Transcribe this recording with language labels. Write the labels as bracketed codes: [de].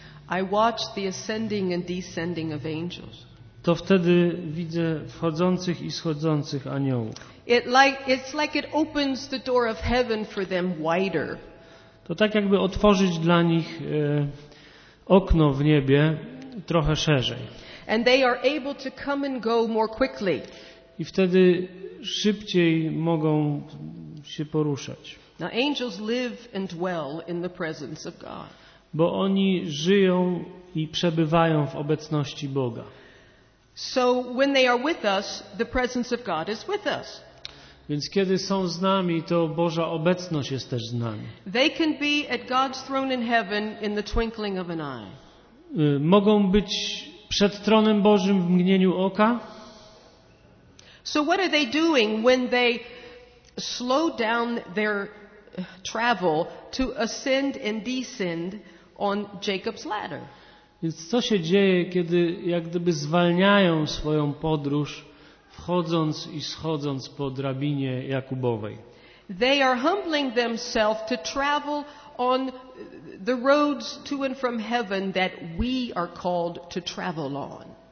[en] I watch the ascending and descending of angels. [pl] To wtedy widzę wchodzących i schodzących aniołów. [en] It's like it opens the door of heaven for them wider. [pl] To tak jakby otworzyć dla nich okno w niebie trochę szerzej. [en] And they are able to come and go more quickly. [pl] I wtedy szybciej mogą się poruszać. [en] Now angels live and dwell in the presence of God. [pl] Bo oni żyją i przebywają w obecności Boga. [en] So when they are with us, the presence of God is with us. [pl] Więc kiedy są z nami, to Boża obecność jest też z nami. [en] They can be at God's throne in heaven in the twinkling of an eye. [pl] Mogą być przed tronem Bożym w mgnieniu oka. [en] So what are they doing when they slow down their travel to ascend and descend on Jacob's ladder? [pl] Więc co się dzieje, kiedy jak gdyby zwalniają swoją podróż, wchodząc i schodząc po drabinie Jakubowej? [en] They are humbling themselves to travel on the roads to and from heaven that we are called to travel on.